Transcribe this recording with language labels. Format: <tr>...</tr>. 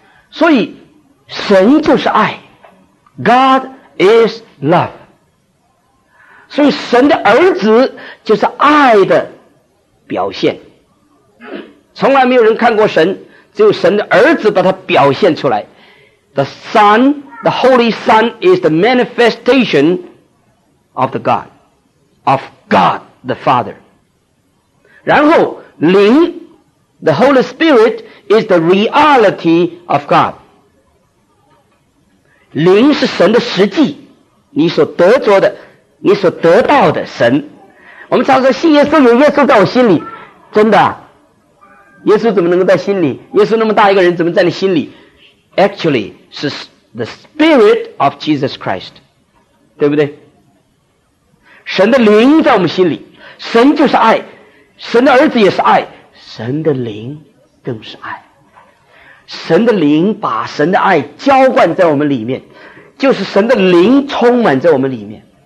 <zh>所以神就是爱，</zh> <en>God is love，</en> <zh>所以神的儿子就是爱的表现。从来没有人看过神，只有神的儿子把它表现出来。</zh> <en>The Son, the Holy Son is the manifestation of the God, of God the Father.</en> <zh>然后灵</zh> <en>the Holy Spirit is the reality of God.</en> <zh>灵是神的实际，你所得着的，你所得到的神。我们常说信耶稣，有耶稣在我心里，真的啊。耶稣怎么能够在心里？耶稣那么大一个人，怎么在你心里？</zh> <en>Actually 是 the spirit of Jesus Christ，</en> <zh>对不对？神的灵在我们心里，神就是爱，神的儿子也是爱，神的灵更是爱。神的灵把神的爱浇灌在我们里面，就是神的灵充满在我们里面。</zh>